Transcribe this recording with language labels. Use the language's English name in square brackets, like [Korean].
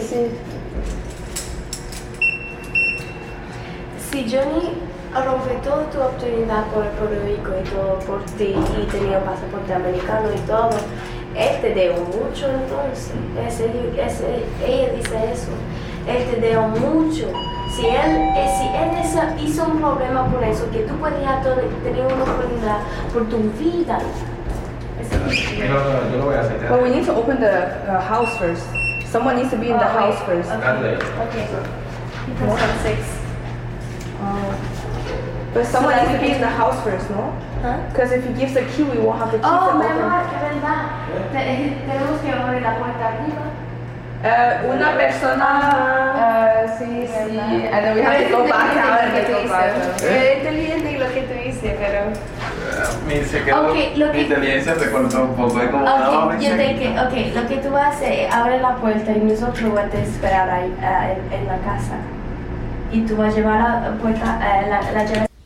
[Spanish] Si Johnny rompe toda tu oportunidad por Puerto Rico y todo por ti, y tenía un pasaporte americano y todo, él te dio mucho entonces. Ella dice eso. Él te dio mucho. Si él hizo un problema por eso, que tú podías tener una oportunidad por tu vida. Yo lo voy a hacer. Pero necesitamos abrir la casa primero. [English] Someone needs to be in the house first. Okay. But someone needs to be in the house first, no? Huh? Because if he gives a key, we won't have the key. Oh, my God, [Spanish] que verdad. Tenemos que abrir la puerta arriba. Una persona. Sí. [English] And then we have to go back out and get [Spanish] inteligente lo que tú dices, pero. Lo que tú vas a hacer es abrir la puerta y nosotros vamos a esperar ahí en la casa. Y tú vas a llevar la puerta, la llave.